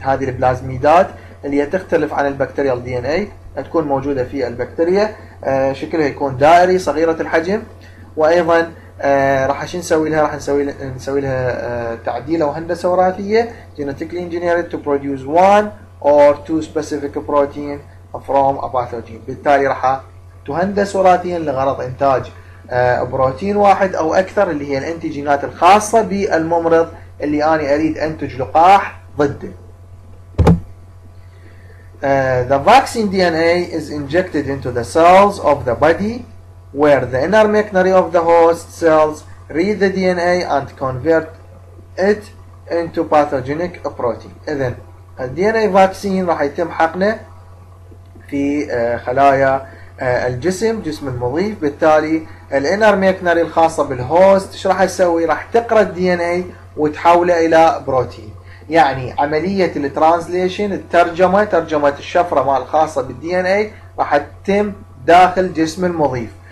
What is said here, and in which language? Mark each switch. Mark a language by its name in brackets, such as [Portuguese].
[Arabic] هذه البلازميدات اللي هي تختلف عن البكتيريال دي ان اي، تكون موجودة في البكتيريا، شكلها يكون دائري صغيرة الحجم، وايضا راح شو نسوي لها؟ راح نسوي لها تعديل او هندسة وراثية [English] genetically engineered to produce one or two specific protein from a pathogen. [Arabic] بالتالي راح تهندس وراثيا لغرض انتاج بروتين واحد او اكثر اللي هي الانتيجينات الخاصة بالممرض اللي انا اريد انتج لقاح ضده. [English] The vaccine DNA is injected into the cells of the body where the inner machinery of the host cells read the DNA and convert it into pathogenic protein. [Arabic] إذن الـ DNA vaccine راح يتم حقنه في خلايا الجسم، جسم المضيف، بالتالي الـ inner machinery الخاصة بالهوست ايش راح يسوي؟ راح تقرا الـ DNA وتحوله إلى بروتين. يعني عملية الـ translation الترجمة، ترجمة الشفرة مال الخاصة بالـ DNA راح تتم داخل جسم المضيف.